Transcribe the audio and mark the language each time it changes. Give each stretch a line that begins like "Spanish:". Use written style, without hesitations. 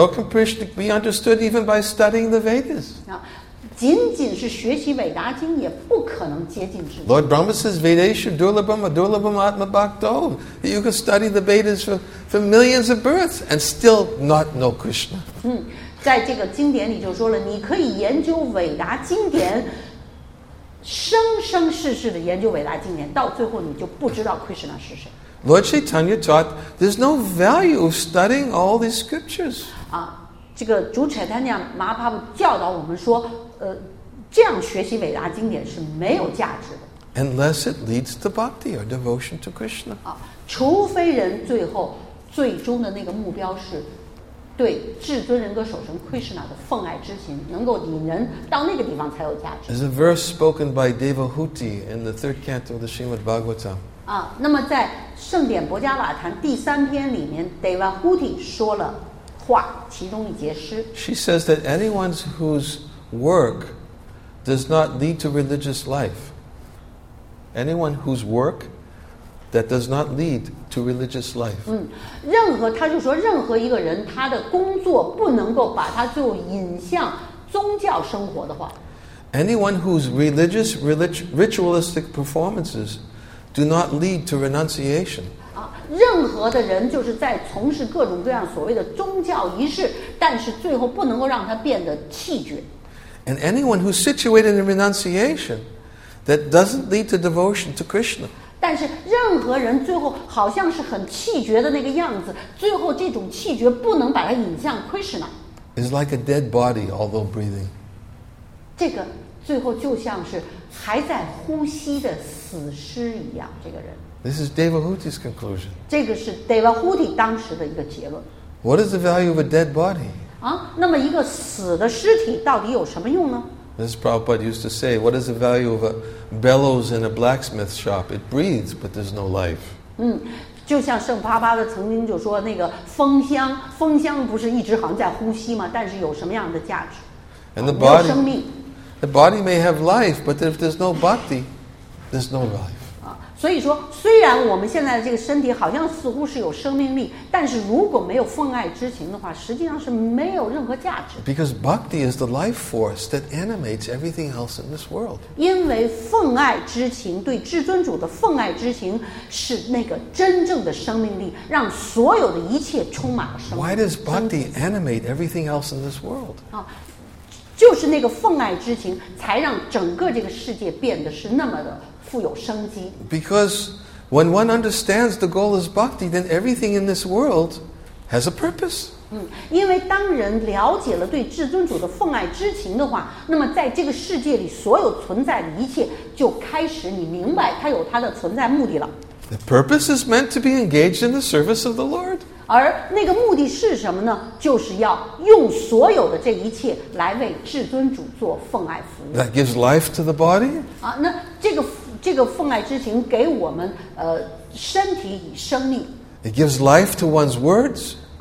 English: Nor can Krishna be understood even by studying the Vedas.
Chinese: 仅仅是学习伟达经也不可能接近智慧。
English: Lord Brahma says
Sanskrit: Vedesha Durlabhama Durlabhama Atma Bhakto.
English: You can study the Vedas for millions of births and still not know Krishna.
Chinese: 在这个经典里就说了，你可以研究伟达经典，生生世世的研究伟达经典，到最后你就不知道 Krishna 是谁。
English: Lord Chaitanya taught there's no value studying all these scriptures.
Chinese: 啊，这个主柴丹娘麻帕布教导我们说，这样学习伟达经典是没有价值的。
English: Unless it leads to bhakti or devotion to Krishna.
Chinese: 啊，除非人最后最终的那个目标是。对至尊人格守成 Krishna 的奉爱之情能够引人到那个地方才有价值
English: There's a verse spoken by Devahuti in the third canto of the Srimad Bhagavatam
Chinese: 啊，那么在圣典博迦瓦坛第三篇里面 Devahuti 说了话其中一节诗
English: She says that anyone whose work does not lead to religious life anyone whose workthat does not lead to religious life.
Chinese: 任何他就说任何一个人他的工作不能够把他就引向宗教生活的话。
English: Anyone whose religious ritualistic performances do not lead to renunciation.
Chinese: 任何的人就是在从事各种各样所谓的宗教仪式但是最后不能够让他变得弃绝。
English: And anyone who's situated in renunciation that doesn't lead to devotion to Krishna.
Chinese: 但是任何人最后好像是很气绝的那个样子，最后这种气绝不能把它引向 Krishna。
English: It's like a dead body, although breathing.
Chinese: 这个最后就像是还在呼吸的死尸一样，这个人。
English: This is Devahuti's conclusion.
Chinese: 这个是 Devahuti 当时的一个结论。
English: What is the value of a dead body?
Chinese: 啊，那么一个死的尸体到底有什么用呢？
English: As Prabhupada used to say, what is the value of a bellows in a blacksmith shop? It breathes, but there's no life.
Chinese: 就像圣巴巴的曾经就说那个风箱，风箱不是一直好像在呼吸吗？但是有什么样的价值？
English: And the body,
Chinese: 没有生命。
English: The body may have life, but if there's no bhakti, there's no life.
Chinese: 所以说，虽然我们现在的这个身体好像似乎是有生命力，但是如果没有奉爱之情的话，实际上是没有任何价值。
English: Because bhakti is the life force that animates everything else in this world.
Chinese: 因为奉爱之情，对至尊主的奉爱之情，是那个真正的生命力，让所有的一切充满了生命。
English: Why does bhakti animate everything else in this world?
Chinese: 就是那个奉爱之情，才让整个这个世界变得是那么的。
English: Because when one understands the goal is bhakti, then everything in this world has a purpose.
Chinese: 因为当人了解了对至尊主的奉爱之情的话，那么在这个世界里所有存在的一切就开始你明白它有它的存在目的了。
English: The purpose is meant to be engaged in the service of the Lord.
Chinese: 而那个目的是什么呢？就是要用所有的这一切来为至尊主做奉爱服务。
English: That gives life to the body.
Chinese: 那这个奉爱之情给我们身体以生命。
English: It gives life to one's words.